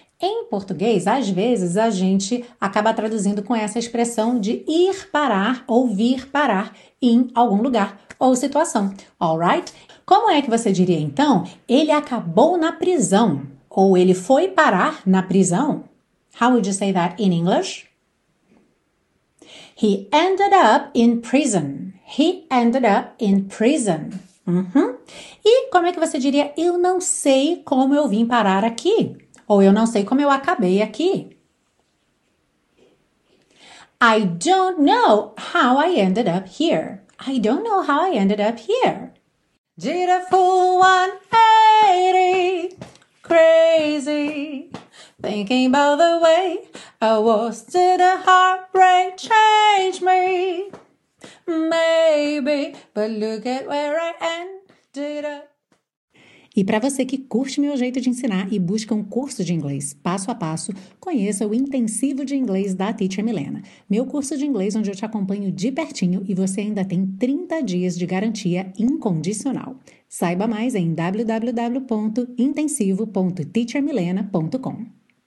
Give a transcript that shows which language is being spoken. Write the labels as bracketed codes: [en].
[pt] Em português, às vezes, a gente acaba traduzindo com essa expressão de ir parar ou vir parar em algum lugar ou situação, alright? Como é que você diria, então, ele acabou na prisão? Ou ele foi parar na prisão? [en] How would you say that in English? He ended up in prison. He ended up in prison. [pt] E como é que você diria, eu não sei como eu vim parar aqui? Ou eu não sei como eu acabei aqui? [en] I don't know how I ended up here. I don't know how I ended up here. Did a fool 180, crazy, thinking about the way I was. Did a heartbreak change me? Maybe, but look at where I ended up. [pt] E para você que curte meu jeito de ensinar e busca um curso de inglês passo a passo, conheça o Intensivo de Inglês da Teacher Milena. Meu curso de inglês onde eu te acompanho de pertinho e você ainda tem 30 dias de garantia incondicional. Saiba mais em www.intensivo.teachermilena.com.